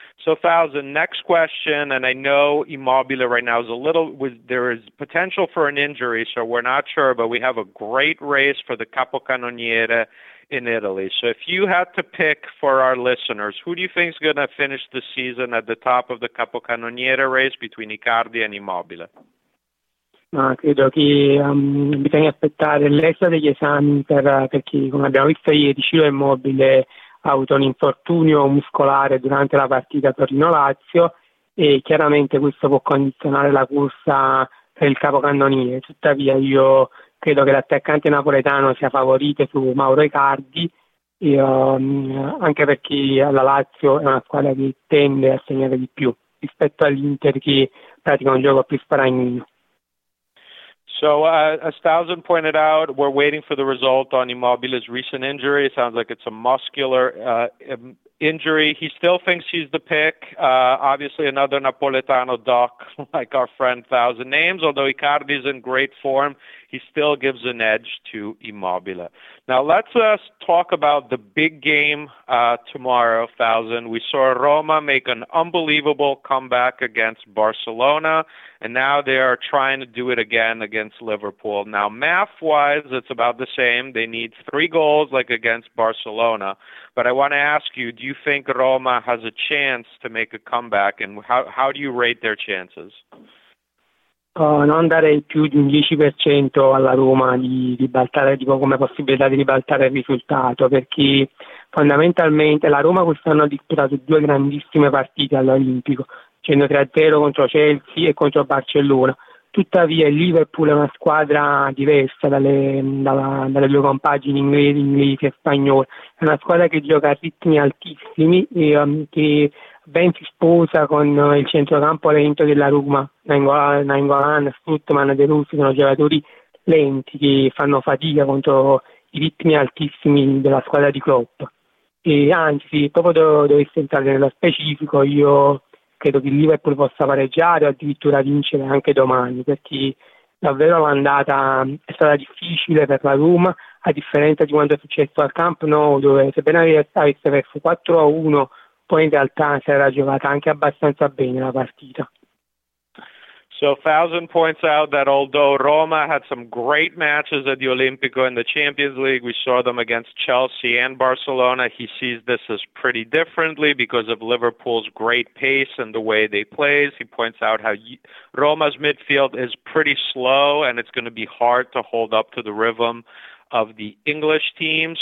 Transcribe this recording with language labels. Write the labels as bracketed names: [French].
[English] So Fauzan, next question, and I know Immobile right now there is potential for an injury, so we're not sure, but we have a great race for the Capocannoniere in Italy. So if you had to pick for our listeners, who do you think is going to finish the season at the top of the Capocannoniere race between Icardi and Immobile? [Italian] Ma credo che bisogna aspettare l'esito degli esami perché, come abbiamo visto ieri, Ciro Immobile ha avuto un infortunio muscolare durante la partita Torino-Lazio e chiaramente questo può condizionare la corsa per il capocannoniere. Tuttavia io credo che l'attaccante napoletano sia favorito su Mauro Icardi, anche perché la Lazio è una squadra che tende a segnare di più rispetto all'Inter, che pratica un gioco più sparagnino. [English] So, as Fauzan pointed out, we're waiting for the result on Immobile's recent injury. It sounds like it's a muscular injury. He still thinks he's the pick. Obviously, another Napoletano doc like our friend Fauzan names, although Icardi's in great form, he still gives an edge to Immobile. Now, let's talk about the big game tomorrow, Fauzan. We saw Roma make an unbelievable comeback against Barcelona, and now they are trying to do it again against Liverpool. Now, math-wise, it's about the same. They need 3 goals, like against Barcelona. But I want to ask you, do you think Roma has a chance to make a comeback, and how do you rate their chances? [Italian] Non darei più di un 10% alla Roma di ribaltare, tipo, come possibilità di ribaltare il risultato, perché fondamentalmente la Roma quest'anno ha disputato 2 grandissime partite all'Olimpico, 3-0 contro Chelsea e contro Barcellona. Tuttavia il Liverpool è una squadra diversa dalle due compagini inglesi e spagnole, è una squadra che gioca a ritmi altissimi e che ben si sposa con il centrocampo lento della Roma. Nainggolan, Strootman, De Rossi sono giocatori lenti che fanno fatica contro i ritmi altissimi della squadra di Klopp. E anzi, se proprio dovesse entrare nello specifico, io credo che il Liverpool possa pareggiare o addirittura vincere anche domani, perché davvero l'andata è stata difficile per la Roma, a differenza di quando è successo al Camp Nou, dove sebbene avesse perso 4-1, poi in realtà si era giocata anche abbastanza bene la partita. [English] So Fausen points out that although Roma had some great matches at the Olimpico and the Champions League, we saw them against Chelsea and Barcelona, he sees this as pretty differently because of Liverpool's great pace and the way they play. He points out how Roma's midfield is pretty slow and it's going to be hard to hold up to the rhythm of the English team.